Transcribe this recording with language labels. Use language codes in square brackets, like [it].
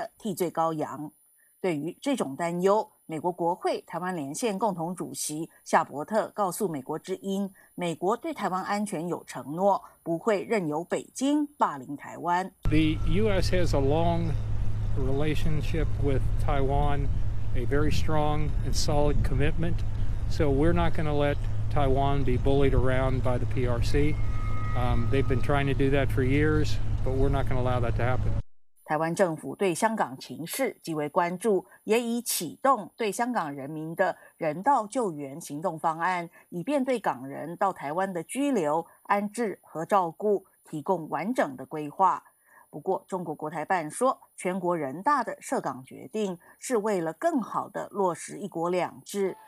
[zh] 台湾政府也对北京在取得对香港的完全管制后，可能对台湾有不利行动提高警觉。台湾外交部长吴钊燮星期二对美国福克斯新闻网表示，他担忧中国可能对台湾采取军事行动，因为台湾很容易成为北京转移内部危机的替罪羔羊。对于这种担忧， 美国国会台湾连线共同主席夏伯特告诉美国之音，美国对台湾安全有承诺，不会任由北京霸凌台湾。 [en] The U.S. has a long relationship with Taiwan, a very strong and solid commitment. So we're not going to let Taiwan be bullied around by the PRC. They've been trying to do that for years, but we're not going to allow that to happen. [zh] 台湾政府对香港情势极为关注，也已启动对香港人民的人道救援行动方案，以便对港人到台湾的居留、安置和照顾提供完整的规划。不过，中国国台办说，全国人大的涉港决定是为了更好地落实一国两制。